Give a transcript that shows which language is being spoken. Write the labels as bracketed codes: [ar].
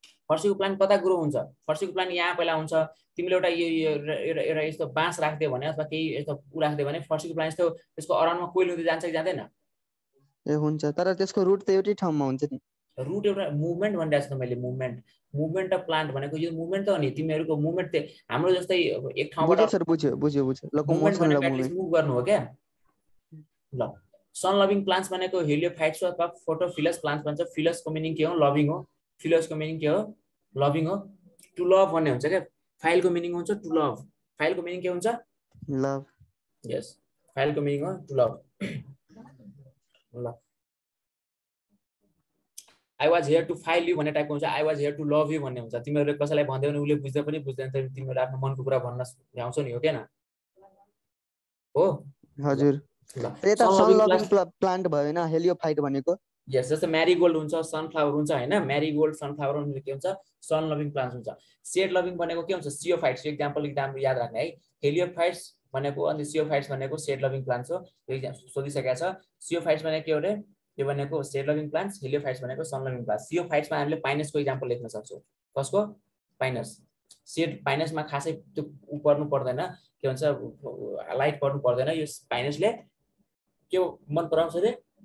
[ne] फर्सीको प्लान्ट कता ग्रो हुन्छ फर्सीको प्लान्ट यहाँ पहिला हुन्छ तिमीले एउटा यो एउटा यस्तो बाँस राखिदियो भने अथवा केही यस्तो ऊ राखिदियो भने फर्सीको प्लान्ट यस्तो त्यसको अराउन्डमा कोइल हुँदै जान्छ कि जाँदैन ए हुन्छ तर त्यसको रुट त एउटै ठाउँमा हुन्छ नि रुट एउटा मुभमेन्ट भनिरहेको छु त मैले मुभमेन्ट मुभमेन्ट अफ प्लान्ट भनेको यो मुभमेन्ट त हो नि तिमीहरूको मुभमेन्ट हाम्रो जस्तै एक ठाउँबाट बुझ्यो बुझ्यो मुभ गर्नु हो क्या ल [en] sun loving plants भनेको heliophytes अथवा photophyllous plants भन्छ. [ne] Phyllous को meaning के हो? Loving हो. Phyllous को meaning के हो? Loving हो. To love भन्ने हुन्छ के? [en] File को meaning हुन्छ to love. [ne] File को meaning के हुन्छ? [en] Love. Yes. File को meaning हो to love. I was here to file you [ne] भन्ने टाइपको हुन्छ. [en] I was here to love you [ne] भन्ने हुन्छ. तिमीहरुले कसैलाई भन्दै भने उले बुझ्दै पनि बुझ्दैन तर तिमीहरु आफ्नो मनको कुरा भन्न ल्याउँछौ नि हो के न हो हजुर ए त सन लभिङ प्लान्ट भयो हैन हेलियोफाइट भनेको यस जस्तै मैरीगोल्ड हुन्छ सनफ्लावर हुन्छ हैन मैरीगोल्ड सनफ्लावर हुन्छ के हुन्छ सन लभिङ प्लान्ट हुन्छ सेड लभिङ भनेको के हुन्छ सियोफाइट्स एग्जांपल एकदम याद राख्ने है हेलियोफाइट्स भनेको अनि सियोफाइट्स भनेको सेड लभिङ प्लान्ट्स हो सोधिसकेको छ सियोफाइट्स भनेको के हो रे यो भनेको सेड लभिङ प्लान्ट्स हेलियोफाइट्स भनेको सन लभिङ प्लान्ट्स सियोफाइट्स मा हामीले पाइनसको एग्जांपल लेख्न सक्छौ कसको पाइनस सेड पाइनस मा खासै त्यो उपर्नु पर्दैन के हुन्छ लाइट पर्नु पर्दैन यो पाइनस ले के मन पराउँछ रे